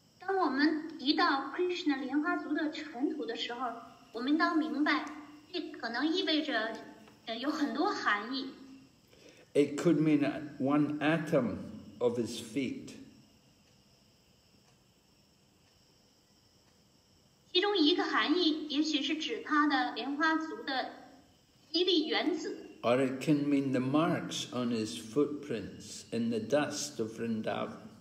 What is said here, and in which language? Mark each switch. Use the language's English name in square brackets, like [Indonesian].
[English] When we talk about [Chinese] Krishna 莲花族的尘土的时候，我们当明白，这可能意味着有很多含义。 [English] It could mean one atom of his feet. [Chinese] 其中一个含义也许是指他的莲花族的一粒原子。 [English] Or it can mean the marks on his footprints in the dust of Vrindavan.